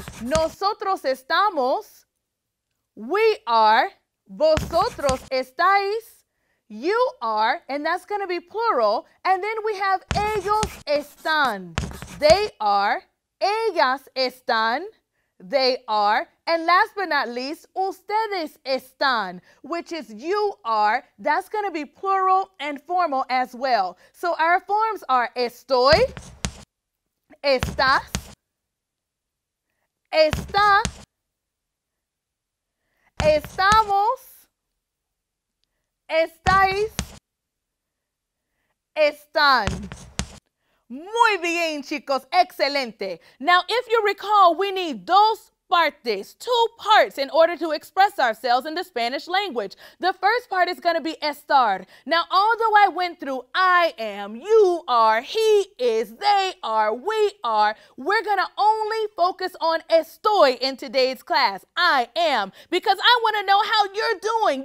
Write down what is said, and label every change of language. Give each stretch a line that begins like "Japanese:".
Spanish: Nosotros estamos,
English: we are,
Spanish: vosotros estáis,
English: you are, and that's going to be plural, and then we have
Spanish: ellos están,
English: they are,
Spanish: ellas están,
English: they are, and last but not least,
Spanish: ustedes están,
English: which is you are, that's going to be plural and formal as well. So our forms are estoy, estás, está, estamos, estáis, están.
Spanish: Muy bien, chicos. Excelente.
English: Now, if you recall, we need
Spanish: dos partes,
English: two parts, in order to express ourselves in the Spanish language. The first part is going to be estar. Now, although I went through I am, you are, he is, they are, we are, we're going to only focus on estoy in today's class, I am, because I want to know how you're doing.